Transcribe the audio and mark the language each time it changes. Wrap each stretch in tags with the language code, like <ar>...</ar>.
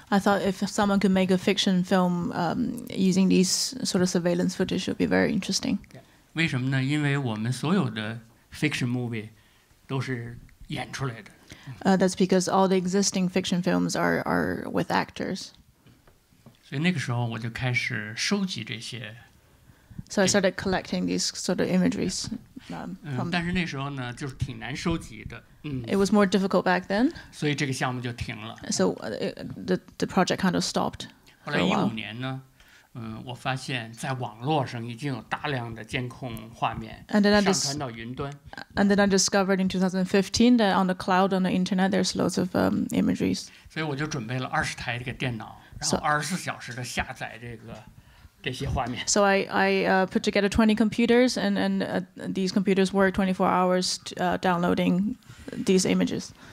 <en>I thought if someone could make a fiction film using these sort of surveillance footage, it would be very interesting.</en> <zh>为什么呢?因为我们所有的 fiction movie 都是演出来的。</zh> <en>That's because all the existing fiction films are with actors.</en> <zh>所以那个时候我就开始收集这些。</zh> <en>So I started collecting these sort of imageries.</en> <zh>但是那时候呢，就是挺难收集的。</zh> <en>It was more difficult back then.</en> <zh>所以这个项目就停了。</zh> <en>So the project kind of stopped.</en> <zh>后来15年呢，我发现在网络上已经有大量的监控画面上传到云端。</zh> <en>And then I discovered in 2015 that on the cloud on the internet there's loads of imageries.</en> <zh>所以我就准备了20台这个电脑，然后24小时的下载这些画面。</zh> <en>So I put together 20 computers and these computers work 24 hours downloading these images.</en>